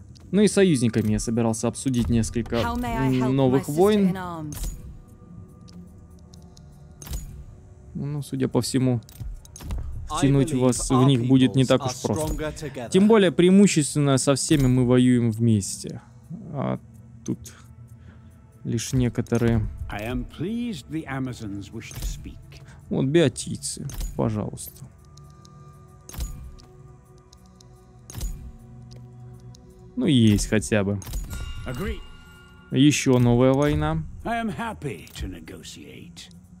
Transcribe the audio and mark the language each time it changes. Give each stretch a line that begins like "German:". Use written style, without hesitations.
Russian: Ну и союзниками я собирался обсудить несколько новых войн. Ну, судя по всему, втянуть вас в них будет не так уж просто. Тем более, преимущественно со всеми мы воюем вместе. А тут лишь некоторые...
English: I am pleased the Amazons wish to speak.
Russian: Вот биотийцы, пожалуйста. Ну, есть хотя бы. Agree. Еще новая война.
English: I am happy to negotiate.